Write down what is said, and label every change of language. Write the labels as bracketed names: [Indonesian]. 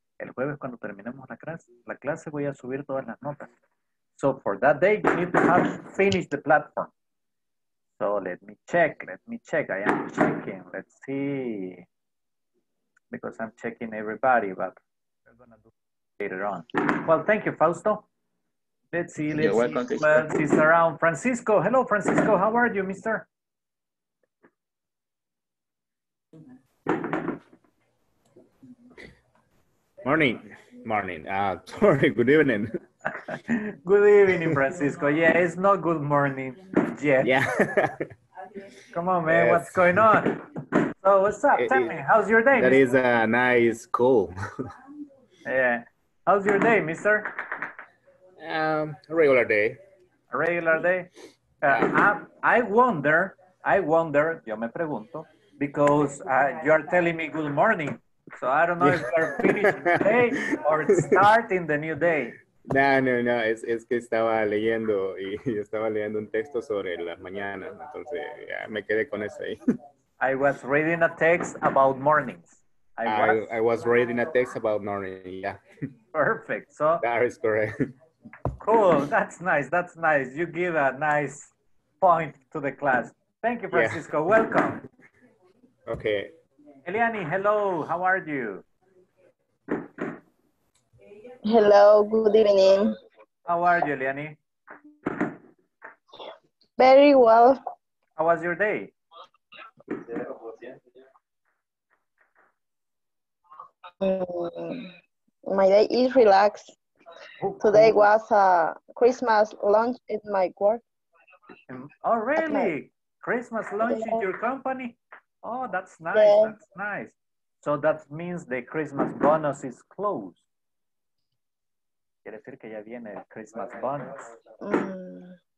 [Spanish] El jueves, cuando terminemos la clase, voy a subir todas las notas. [English] So for that day, you need to have finished the platform. So let me check. I am checking. Let's see. Because I'm checking everybody, but we're going to do it later on. Well, thank you, Fausto. Let's see who else is around. Francisco. Hello, Francisco. How are you, mister? Morning. Sorry, good evening. Good evening, Francisco. Yeah, it's not good morning yet. Yeah. Come on, man. Yes. What's going on? So, what's up? Tell me, how's your day? That is a nice cool. Yeah. How's your day, mister? A regular day. I wonder, [Spanish] yo me pregunto, [English] because you are telling me good morning. So I don't know if we're finishing the day or starting the new day. [Spanish] No, es que estaba leyendo y estaba leyendo un texto sobre las mañanas. Entonces, yeah, me quedé con eso ahí. [English] I was reading a text about mornings. I was reading a text about morning, yeah. Perfect. So that is correct. Cool, that's nice. You give a nice point to the class. Thank you, Francisco. Yeah. Welcome. Okay. Eliani, hello. How are you? Hello. Good evening. How are you, Eliani? Very well. How was your day? My day is relaxed. Today was a Christmas lunch at my work. Oh, really? Christmas lunch in your company? Oh, that's nice. Yeah. That's nice. So that means the Christmas bonus is closed. [Spanish] Quiere decir que ya viene el Christmas bonus.